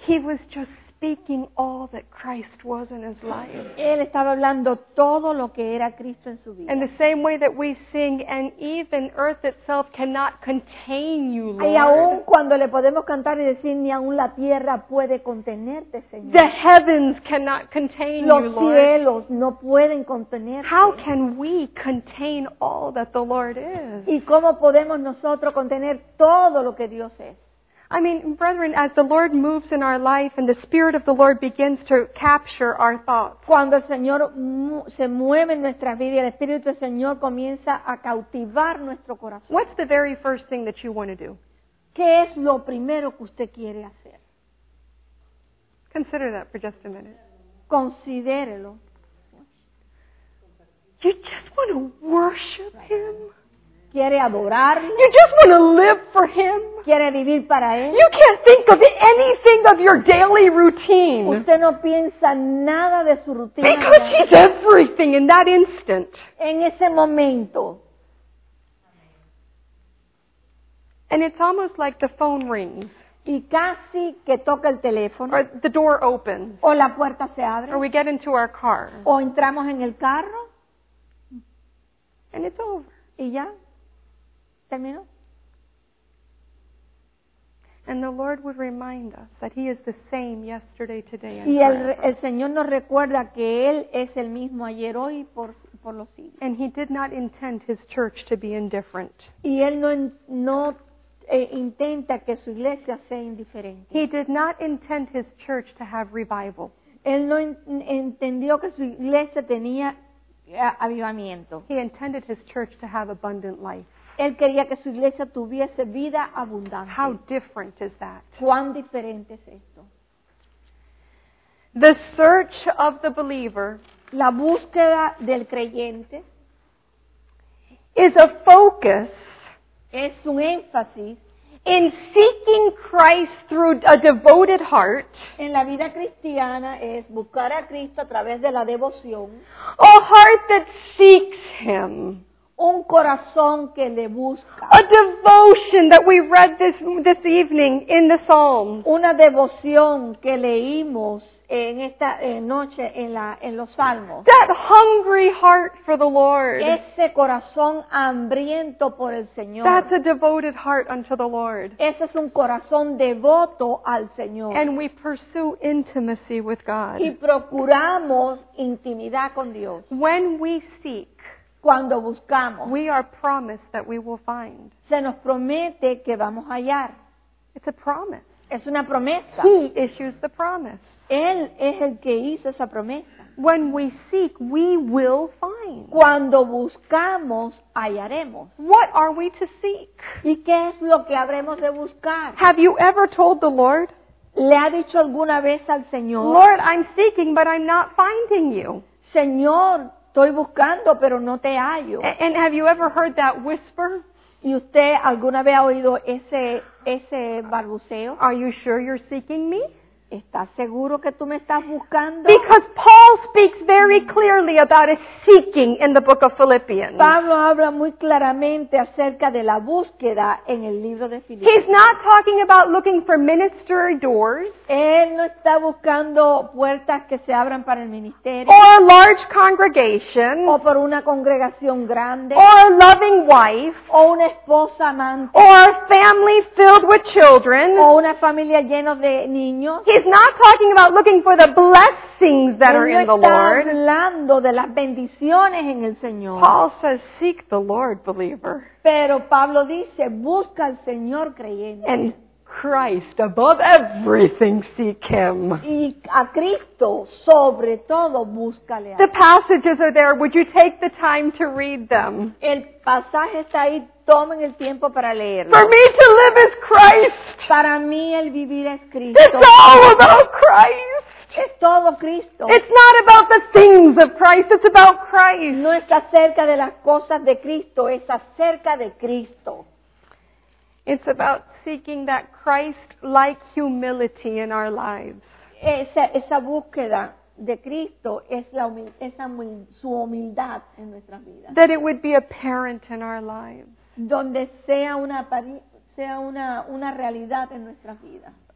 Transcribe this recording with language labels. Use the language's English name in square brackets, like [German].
[English] He was just speaking all that Christ was in his life. [Spanish] Él estaba hablando todo lo que era Cristo en su vida. [English] In the same way that we sing, and even earth itself cannot contain you, Lord. [Spanish] Y aún cuando le podemos cantar y decir, ni aún la tierra puede contenerte, Señor. [English] The heavens cannot contain [Spanish] Los [English] you, Lord. [Spanish] Los cielos no pueden contenerte. [English] How can we contain all that the Lord is? [Spanish] ¿Y cómo podemos nosotros contener todo lo que Dios es? [English] I mean, brethren, as the Lord moves in our life and the Spirit of the Lord begins to capture our thoughts. [Spanish] Cuando el Señor se mueve en nuestra vida y el Espíritu del Señor comienza a cautivar nuestro corazón. [English] What's the very first thing that you want to do? [Spanish] ¿Qué es lo primero que usted quiere hacer? [English] Consider that for just a minute. [Spanish] Considérelo. [English] You just want to worship right. Him? [Spanish] Quiere adorarlo. [English] You just want to live for him. [Spanish] Quiere vivir para él. [English] You can't think of anything of your daily routine. [Spanish] Usted no piensa nada de su rutina. [English] Because he's everything in that instant. [Spanish] En ese momento. [English] And it's almost like the phone rings. [Spanish] Y casi que toca el teléfono. [English] Or the door opens. [Spanish] O la puerta se abre. [English] Or we get into our car. [Spanish] O entramos en el carro. [English] And it's over. [Spanish] Y ya. ¿Terminó? [English] And the Lord would remind us that He is the same yesterday, today, and forever. [Spanish] Y el Señor nos recuerda que Él es el mismo ayer, hoy y por los siglos. [English] And He did not intend His church to be indifferent. [Spanish] Y Él no intenta que su iglesia sea indiferente. [English] He did not intend His church to have revival. [Spanish] Él no entendió que su iglesia tenía avivamiento. [English] He intended his church to have abundant life. [Spanish] Él quería que su iglesia tuviese vida abundante. [English] How different is that? [Spanish] ¿Cuán diferente es esto? [English] The search of the believer, [Spanish] la búsqueda del creyente, [English] is a focus, [Spanish] es un énfasis, [English] in seeking Christ through a devoted heart, [Spanish] en la vida cristiana es buscar a Cristo a través de la devoción, [English] a heart that seeks Him, [Spanish] un corazón que le busca, [English] a devotion that we read this evening in the Psalms, [Spanish] una devoción que leímos en esta noche en los Salmos. [English] That hungry heart for the Lord. [Spanish] Ese corazón hambriento por el Señor. [English] That's a devoted heart unto the Lord. [Spanish] Ese es un corazón devoto al Señor. [English] And we pursue intimacy with God. [Spanish] Y procuramos intimidad con Dios. [English] When we seek, [Spanish] cuando buscamos, [English] we are promised that we will find. [Spanish] Se nos promete que vamos a hallar. [English] It's a promise. [Spanish] Es una promesa. [English] He issues the promise. [Spanish] Él es el que hizo esa promesa. [English] When we seek, we will find. [Spanish] Cuando buscamos, hallaremos. [English] What are we to seek? [Spanish] ¿Y qué es lo que habremos de buscar? [English] Have you ever told the Lord? [Spanish] ¿Le ha dicho alguna vez al Señor? [English] Lord, I'm seeking, but I'm not finding you. [Spanish] Señor, estoy buscando, pero no te hallo. [English] And have you ever heard that whisper? [Spanish] ¿Y usted alguna vez ha oído ese balbuceo? [English] Are you sure you're seeking me? [Spanish] ¿Estás seguro que tú me estás buscando? [English] Because Paul speaks very clearly about a seeking in the book of Philippians. [Spanish] Pablo habla muy claramente acerca de la búsqueda en el libro de Filipenses. [English] He's not talking about looking for ministry doors. [Spanish] Él no está buscando puertas que se abran para el ministerio. [English] Or a large congregation. [Spanish] O por una congregación grande. [English] Or a loving wife. [Spanish] O una esposa amante. [English] Or a family filled with children. [Spanish] O una familia llena de niños. [English] He's not talking about looking for the blessings that are in the Lord. [Spanish] Él no está hablando de las bendiciones en el Señor. [English] Paul says, seek the Lord, believer. [Spanish] Pero Pablo dice, busca al Señor creyente. [English] And Christ, above everything, seek Him. [Spanish] Y a Cristo, sobre todo, búscale a Él. [English] The passages are there. Would you take the time to read them? [Spanish] El pasaje está ahí. Tomen el tiempo para leerlo. [English] For me to live is Christ. [Spanish] Para mí el vivir es Cristo. [English] It's all about Christ. [Spanish] Es todo Cristo. [English] It's not about the things of Christ. It's about Christ. [Spanish] No es acerca de las cosas de Cristo. Es acerca de Cristo. [English] It's about seeking that Christ-like humility in our lives. [Spanish] Esa búsqueda de Cristo es la su humildad en nuestras vidas. [English] That it would be apparent in our lives. [Spanish] Donde sea una realidad en nuestras vidas.